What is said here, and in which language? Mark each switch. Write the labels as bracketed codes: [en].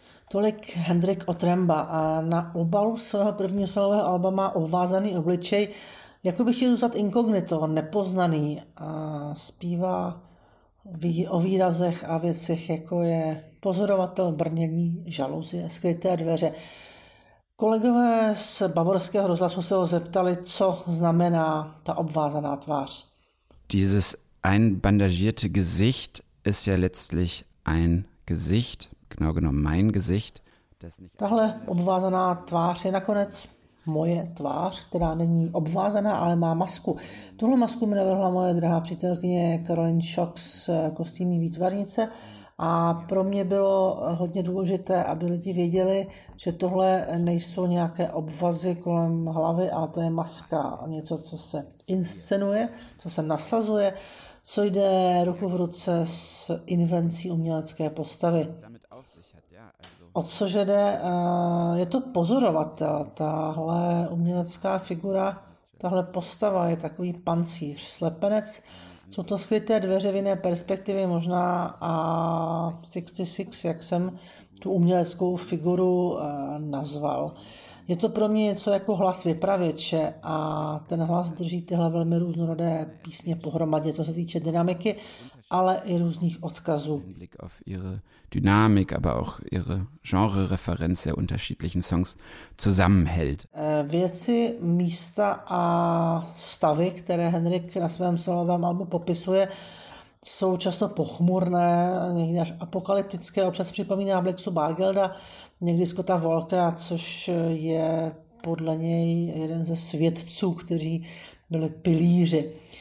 [cs] Tolik Hendrik Otremba a na obalu svého prvního solového alba má ovázaný obličej, jako by chtěl zůstat inkognito, nepoznaný, a zpívá o výrazech a věcech, jako je pozorovatel, brnění, žaluzie, skryté dveře. Kolegové z Bavorského rozhlasu se ho zeptali, co znamená ta obvázaná tvář. [de] Dieses einbandagierte Gesicht ist ja letztlich ein Gesicht, genau genommen mein Gesicht. [cs] Tahle obvázaná tvář je nakonec moje tvář, která není obvázaná, ale má masku. Tuhle masku mi navrhla moje drahá přítelkyně Caroline Shock z kostýmní výtvarnice a pro mě bylo hodně důležité, aby lidi věděli, že tohle nejsou nějaké obvazy kolem hlavy, ale to je maska, něco, co se inscenuje, co se nasazuje, co jde ruku v ruce s invencí umělecké postavy. O co že jde? Je to pozorovatel, tahle umělecká figura, tahle postava je takový pancíř, slepenec. Jsou to skryté dveře v jiné perspektivě možná a 66, jak jsem tu uměleckou figuru nazval. Je to pro mě něco jako hlas vypravěče a ten hlas drží tyhle velmi různorodé písně pohromadě, co se týče dynamiky, ale i různých odkazů. [de] Blick auf ihre Dynamik, aber auch ihre Genre-Referenz der unterschiedlichen Songs zusammenhält. [cs] Věci, místa a stavy, které Henrik na svém solovém albu popisuje, jsou často pochmurné, někdy až apokalyptické, občas připomíná Blixu Bargelda, někdy Scotta Walkera, což je podle něj jeden ze svědců, kteří byli pilíři.